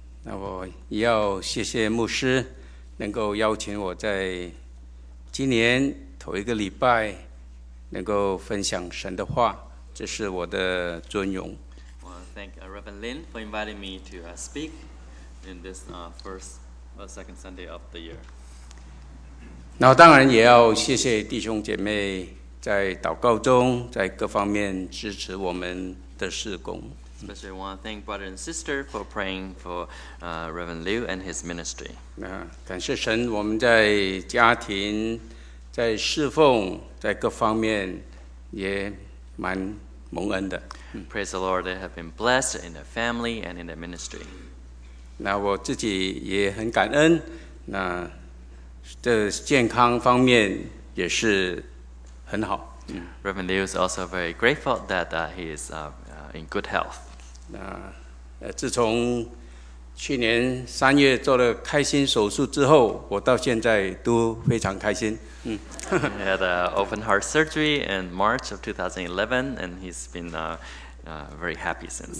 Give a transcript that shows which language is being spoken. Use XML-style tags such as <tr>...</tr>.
<zh>那我要谢谢牧师能够邀请我在今年头一个礼拜能够分享神的话，这是我的尊荣。</zh> <en>Well, thank Reverend Lin for inviting me to speak in this second Sunday of the year.</en> <zh>那当然也要谢谢弟兄姐妹在祷告中在各方面支持我们的事工。</zh> <en>Especially want to thank brother and sister for praying for Reverend Liu and his ministry.</en> <zh>感谢神，我们在家庭、在侍奉、在各方面也蛮蒙恩的。</zh> <en>Praise the Lord, they have been blessed in their family and in their ministry.</en> <zh>那我自己也很感恩，那这健康方面也是很好。</zh> <en>Reverend Liu is also very grateful that he is in good health.</en> <zh>那自从去年三月做了开心手术之后，我到现在都非常开心。</zh> <en>He had an open heart surgery in March of 2011, and he's been very happy since.</en>